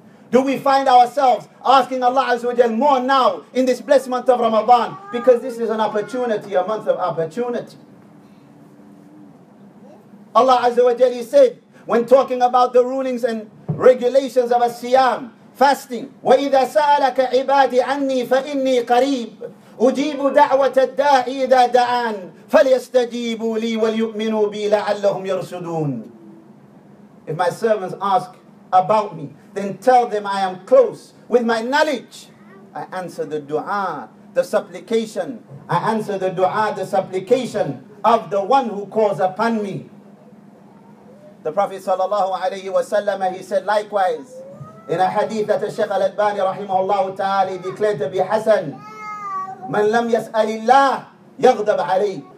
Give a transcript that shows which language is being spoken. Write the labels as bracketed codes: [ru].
[en] Do we find ourselves asking Allah Azza wa Jal more now in this blessed month of Ramadan? Because this is an opportunity, a month of opportunity. Allah Azza wa Jal, he said, when talking about the rulings and regulations of As-Siyam, fasting. [ar] وَإِذَا سَأَلَكَ عِبَادِ عَنِّي فَإِنِّي قَرِيبٌ أُجِيبُ دَعْوَةَ الدَّاعِ إِذَا دَعَانِ فَلْيَسْتَجِيبُوا لِي وَلْيُؤْمِنُوا بِي لَعَلَّهُمْ يَرْشُدُونَ. [en] If my servants ask about me, then tell them I am close with my knowledge. I answer the dua, the supplication. I answer the dua, the supplication of the one who calls upon me. The Prophet [ar] sallallahu alayhi wa sallam, [en] he said likewise, in a hadith that Shaykh al-Albani rahimahullah ta'ala declared to be Hassan, [ar] man lam yas'al Allah yaghdab alayh.